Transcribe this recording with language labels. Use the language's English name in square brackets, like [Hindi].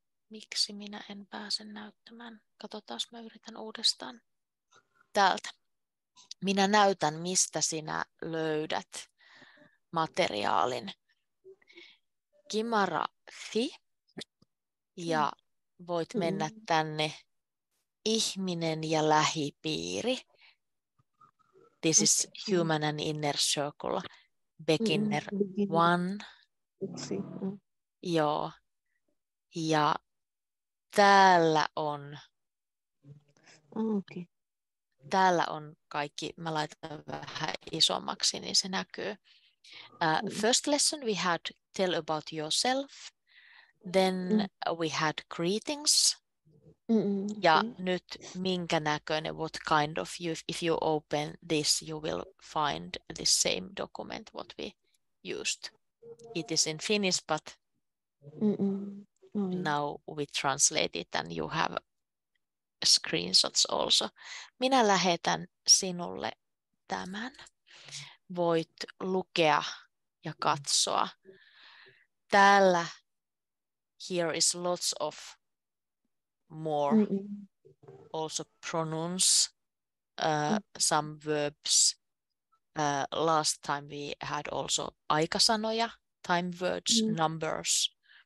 [Finnish] Miksi minä en pääse näyttämään? Katsotaan, mä yritän uudestaan täältä. Minä näytän, mistä sinä löydät materiaalin. Kimara Fi, ja voit mennä tänne. Ihminen ja lähipiiri. [English] This is human and inner circle. Beginner one. Joo. [Finnish] Ja täällä on. Okay. Täällä on kaikki. Mä laitan vähän isommaksi, niin se näkyy. [English] First lesson we had tell about yourself. Then we had greetings. [Finnish] Ja nyt minkä näköinen, [English] what kind of you, if you open this, you will find the same document what we used. It is in Finnish, but now we translate it and you have screenshots also. [Finnish] Minä lähetän sinulle tämän. Voit lukea ja katsoa. Täällä, [English] here is lots of more, also pronounce some verbs. Last time we had also aikasanoja, time words, numbers.